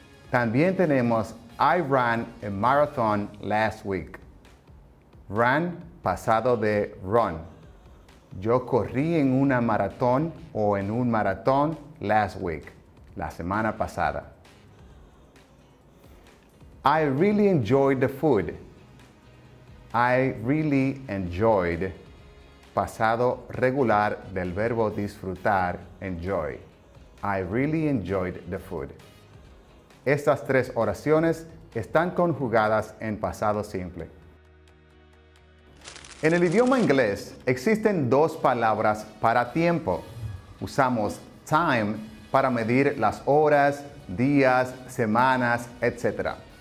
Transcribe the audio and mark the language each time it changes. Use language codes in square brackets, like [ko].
[es] También tenemos [en] I ran a marathon last week. [es] Ran, pasado de run. Yo corrí en una maratón o en un maratón [en] last week, [es] la semana pasada. [en] I really enjoyed the food. I really enjoyed, [es] pasado regular del verbo disfrutar, enjoy. [en] I really enjoyed the food. [es] Estas tres oraciones están conjugadas en pasado simple. En el idioma inglés, existen dos palabras para tiempo. Usamos time para medir las horas, días, semanas, etc.